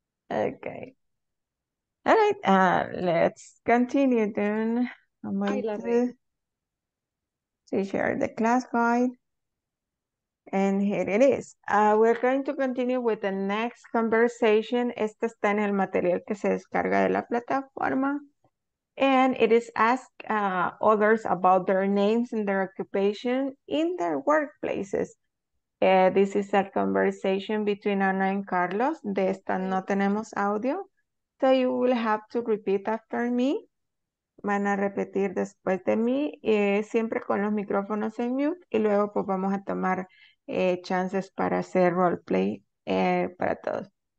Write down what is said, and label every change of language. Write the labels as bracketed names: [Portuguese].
[English] Okay. All right, let's continue then. I'm going to share the class guide. And here it is. We're going to continue with the next conversation. [Spanish] Esta está en el material que se descarga de la plataforma. [English] And it is ask others about their names and their occupation in their workplaces. This is a conversation between Ana and Carlos. [Spanish] De esta no tenemos audio. [English] So you will have to repeat after me. [Spanish] Van a repetir después de mí, siempre con los micrófonos en mute. Y luego pues vamos a tomar chances para hacer roleplay para todos.